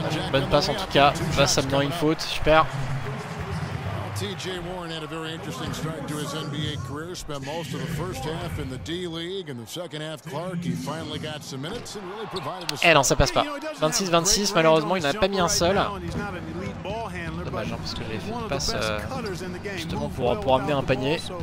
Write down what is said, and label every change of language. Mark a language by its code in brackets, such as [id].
[fr] Bonne passe en tout cas, va s'amener une faute, super. [en] TJ Warren had a very interesting start to his NBA career. Spent most of the first half in the D League, and the second half, Clark, he finally got some minutes and really provided [fr] a. Eh non, ça passe pas. 26-26. Malheureusement, il n'a pas mis un seul. Dommage, hein, parce que j'ai fait une passe justement pour amener un panier.